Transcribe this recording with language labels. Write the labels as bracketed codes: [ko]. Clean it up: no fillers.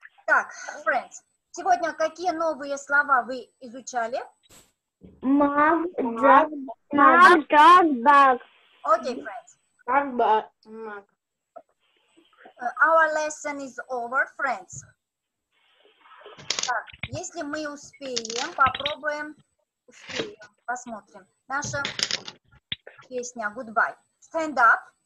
[ru] Так, [en] friends, [ru] сегодня какие новые слова вы изучали? [en] Mug, jug, mug, jug, bug. [ru] Окей, [en] friends. Mug, bug, mug. Our lesson is over, friends. [ru] Так, если мы успеем, попробуем, успеем, посмотрим. Наша песня «Goodbye». [en] Stand up.